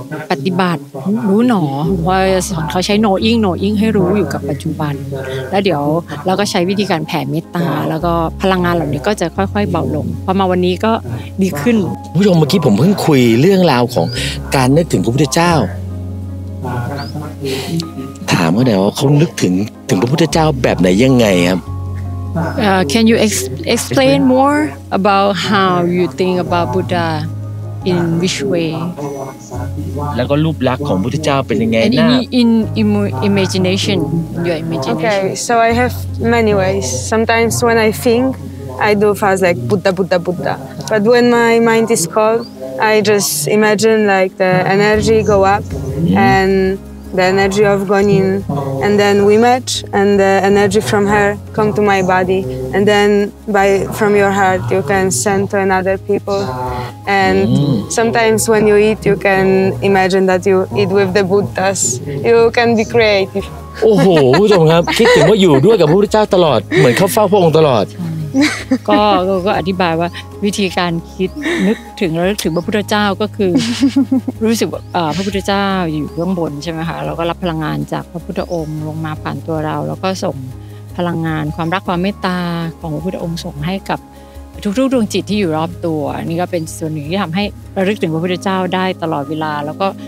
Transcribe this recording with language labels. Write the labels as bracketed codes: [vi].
[th] ปฏิบัติรู้หนอเพราะสอนเขาใช้ [en] knowing knowing [th] ให้รู้อยู่กับปัจจุบันแล้วเดี๋ยวเราก็ใช้วิธีการแผ่เมตตาแล้วก็พลังงานเหล่านี้ก็จะค่อยๆเบาลงพอมาวันนี้ก็ดีขึ้น ผู้ชมเมื่อกี้ผมเพิ่งคุยเรื่องราวของการนึกถึงพระพุทธเจ้าถามเขาหน่อยว่าเขานึกถึงพระพุทธเจ้าแบบไหนยังไงครับ [en] Can you explain more about how you think about BuddhaIn which way? [th] แล้วก็รูปลักษณ์ของพุทธเจ้าเป็นยังไงนะ [en] In imagination, your imagination. Okay, so I have many ways. Sometimes when I think, I do fast like Buddha, Buddha, Buddha. But when my mind is cold, I just imagine like the energy go up, and the energy of Gonin, and then we match, and the energy from her come to my body, and then from your heart you can send to another people. And sometimes when you eat, you can imagine that you eat with the Buddhas. You can be creative. [th] Oh, ho, ผู้ชมครับคิดถึงว่าอยู่ด้วยกับพระพุทธเจ้าตลอดเหมือนเข้าเฝ้าพระองค์ตลอด ก็อธิบายว่าวิธีการคิดนึกถึงแล้วถึงพระพุทธเจ้าก็คือรู้สึกว่าพระพุทธเจ้าอยู่เบื้องบนใช่ไหมคะเราก็รับพลังงานจากพระพุทธองค์ลงมาผ่านตัวเราแล้วก็ส่งพลังงานความรักความเมตตาของพระพุทธองค์ส่งให้กับทุกๆดวงจิตที่อยู่รอบตัวนี่ก็เป็นส่วนหนึ่งที่ทำให้ระลึกถึงพระพุทธเจ้าได้ตลอดเวลาแล้วก็